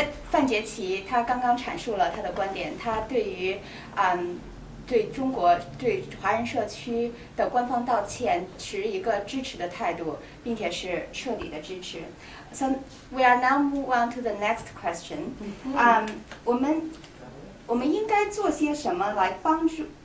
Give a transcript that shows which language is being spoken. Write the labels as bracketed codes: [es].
[zh] 范杰奇他刚刚阐述了他的观点，他对于对中国对华人社区的官方道歉持一个支持的态度，并且是彻底的支持。 [en] So, we are now move on to the next question. [zh] 我们应该做些什么来帮助？